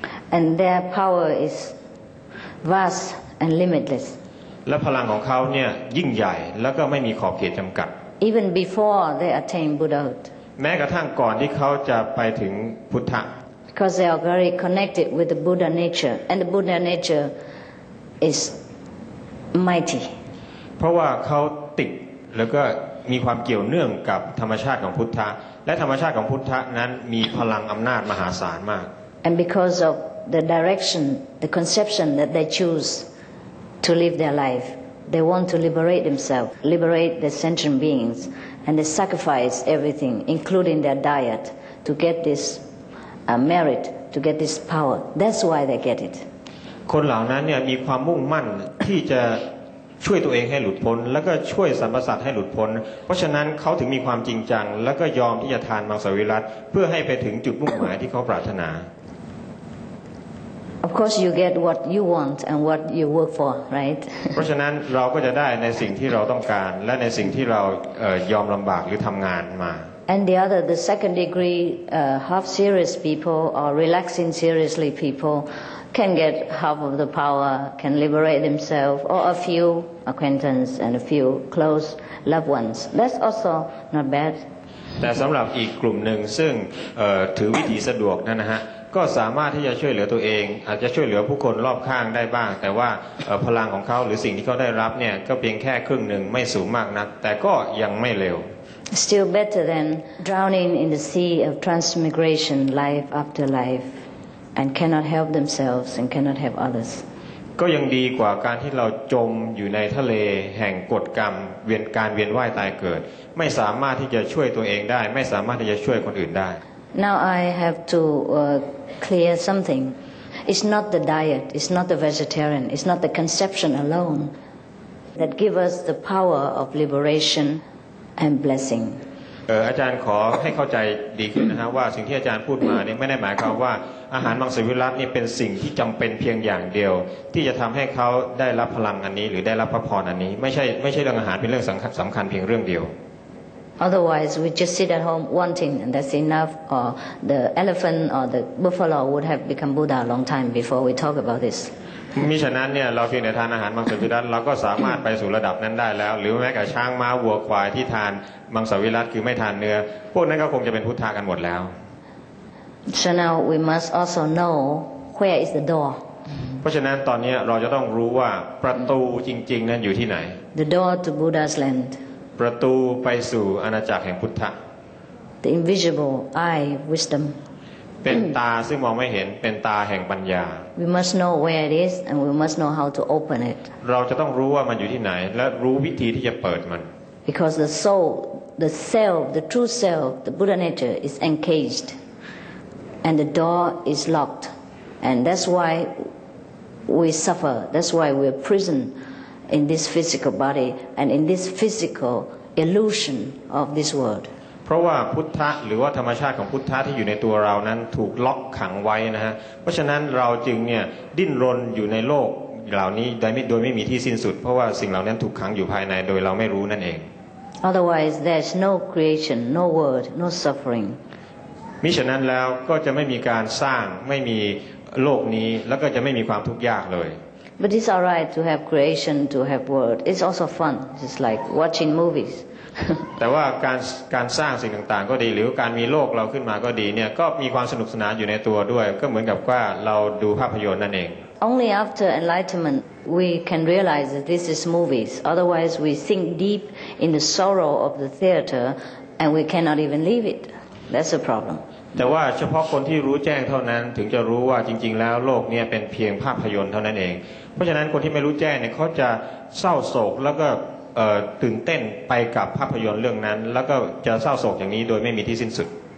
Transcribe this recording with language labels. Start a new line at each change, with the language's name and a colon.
English: And their power is vast and limitless
Thai: และพลังของเขาเนี่ยยิ่งใหญ่แล้วก็ไม่มีขอบเขตจำกัด
English: Even before they attain Buddhahood
Thai: แม้กระทั่งก่อนที่เขาจะไปถึงพุทธะ
English: Because they are very connected with the Buddha nature and the Buddha nature is mighty
Thai: เพราะว่าเขาติดแล้วก็มีความเกี่ยวเนื่องกับธรรมชาติของพุทธะและธรรมชาติของพุทธะนั้นมีพลังอำนาจมหาศาลมาก
English: And because of the direction the conception that they chooseTo live their life, they want to liberate themselves, liberate the sentient beings, and they sacrifice everything, including their diet, to get this merit, to get this power. That's why they get it.
Thai: คนเหล่านั้นเนี่ยมีความมุ่งมั่นที่จะช่วยตัวเองให้หลุดพ้นแล้วก็ช่วยสรรพสัตว์ให้หลุดพ้นเพราะฉะนั้นเขาถึงมีความจริงจังแล้วก็ยอมที่จะทานมังสวิรัติเพื่อให้ไปถึงจุดมุ่งหมายที่เขาปรารถนา
English: Of course, you get what you want and what you work for, right?
Thai: เพราะฉะนั้นเราก็จะได้ในสิ่งที่เราต้องการและในสิ่งที่เรายอมลำบากหรือทำงานมา
English: And the other, the second degree, half serious people or relaxing seriously people can get half of the power, can liberate themselves, or a few acquaintance and a few close loved ones. That's also not bad.
Thai: แต่สำหรับอีกกลุ่มหนึ่งซึ่งถือวิธีสะดวกนั่นนะฮะก็สามารถที่จะช่วยเหลือตัวเองอาจจะช่วยเหลือผู้คนรอบข้างได้บ้างแต่ว่าพลังของเขาหรือสิ่งที่เขาได้รับเนี่ยก็เพียงแค่ครึ่งหนึ่งไม่สูงมากนักแต่ก็ยังไม่เลว
English: Still better than drowning in the sea of transmigration life after life and cannot help themselves and cannot help others
Thai: ก็ยังดีกว่าการที่เราจมอยู่ในทะเลแห่งกฎกรรมเวียนการเวียนว่ายตายเกิดไม่สามารถที่จะช่วยตัวเองได้ไม่สามารถที่จะช่วยคนอื่นได้
English: Now I have to clear something. It's not the diet, it's not the vegetarian, it's not the conception alone that give us the power of liberation and blessing.
Thai: อาจารย์ขอให้เข้าใจดีขึ้นนะฮะว่าสิ่งที่อาจารย์พูดมาเนี่ยไม่ได้หมายความว่าอาหารมังสวิรัตินี่เป็นสิ่งที่จำเป็นเพียงอย่างเดียวที่จะทำให้เขาได้รับพลังอันนี้หรือได้รับพระพรอันนี้ไม่ใช่เรื่องอาหารเป็นเรื่องสำคัญเพียงเรื่องเดียว
English: Otherwise, we just sit at home wanting, and that's enough. Or the elephant or the buffalo would have become Buddha a long time before we talk about this.
Thai: มิฉะนั้นเนี่ยเราเพียงแต่ทานอาหารมังสวิรัติเราก็สามารถไปสู่ระดับนั้นได้แล้วหรือแม้กระทั่งช้างม้าวัวควายที่ทานมังสวิรัติคือไม่ทานเนื้อพวกนั้นก็คงจะเป็นพุทธะกันหมดแล้ว
English: So now we must also know where is the door.
Thai: เพราะฉะนั้นตอนนี้เราจะต้องรู้ว่าประตูจริงๆนั้นอยู่ที่ไหน
English: The door to Buddha's land.
Thai: ประตูไปสู่อาณาจักรแห่งพุทธะ
English: The invisible eye wisdom
Thai: เป็นตาซึ่งมองไม่เห็นเป็นตาแห่งปัญญา
English: We must know where it is and we must know how to open it
Thai: เราจะต้องรู้ว่ามันอยู่ที่ไหนและรู้วิธีที่จะเปิดมัน
English: Because the soul the self the true self the Buddha nature is encaged and the door is locked and that's why we suffer that's why we are prisonedin this physical body and in this physical illusion of this world
Thai: พราะว่าพุทธะหรือว่าธรรมชาติของพุทธะที่อยู่ในตัวเรานั้นถูกล็อกขังไว้นะฮะเพราะฉะนั้นเราจึงเนี่ยดิ้นรนอยู่ในโลกเหล่านี้โดยไม่มีที่สิ้นสุดเพราะว่าสิ่งเหล่านั้นถูกขังอยู่ภายในโดยเราไม่รู้นั่นเอง
English: Otherwise there's no creation no world no suffering
Thai: มิฉะนั้นแล้วก็จะไม่มีการสร้างไม่มีโลกนี้แล้วก็จะไม่มีความทุกข์ยากเลย
English: But it's all right to have creation to have world it's also fun just like watching movies
Thai: แต่ว่าการสร้างสิ่งต่างๆก็ดีหรือการมีโลกเราขึ้นมาก็ดีเนี่ยก็มีความสนุกสนานอยู่ในตัวด้วยก็เหมือนกับว่าเราดูภาพยนตร์นั่นเอง
English: Only after enlightenment we can realize that this is movies otherwise we sink deep in the sorrow of the theater and we cannot even leave it that's a problem
Thai: แต่ว่าเฉพาะคนที่รู้แจ้งเท่านั้นถึงจะรู้ว่าจริงๆแล้วโลกเนี่ยเป็นเพียงภาพยนตร์เท่านั้นเองเพราะฉะนั้นคนที่ไม่รู้แจ้งเนี่ยเขาจะเศร้าโศกแล้วก็ตื่นเต้นไปกับภาพยนตร์เรื่องนั้นแล้วก็จะเศร้าโศกอย่างนี้โดยไม่มีที่สิ้นสุด